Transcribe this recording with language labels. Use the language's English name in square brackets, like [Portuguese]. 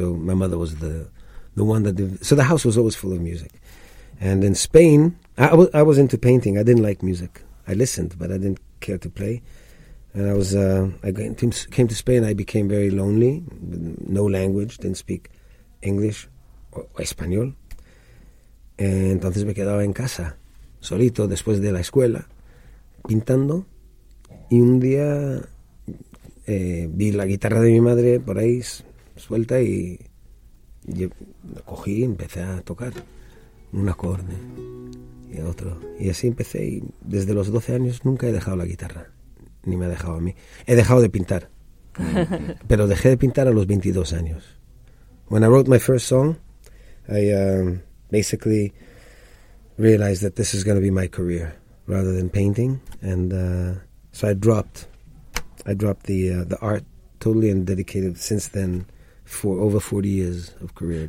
[English] So my mother was the one that... So the house was always full of music. And in Spain, I was into painting. I didn't like music. I listened, but I didn't care to play. And I was, came to Spain, I became very lonely, no language, didn't speak English or Español. [Spanish] Entonces me quedaba en casa, solito, después de la escuela, pintando. Y un día vi la guitarra de mi madre por ahí suelta y la cogí y empecé a tocar un acorde y otro. Y así empecé y desde los 12 años nunca he dejado la guitarra. Ni me ha dejado a mí. He dejado de pintar. Pero dejé de pintar a los 22 años. [English] When I wrote my first song, I basically realized that this is going to be my career rather than painting. And so I dropped the art totally and dedicated since then for over 40 years of career.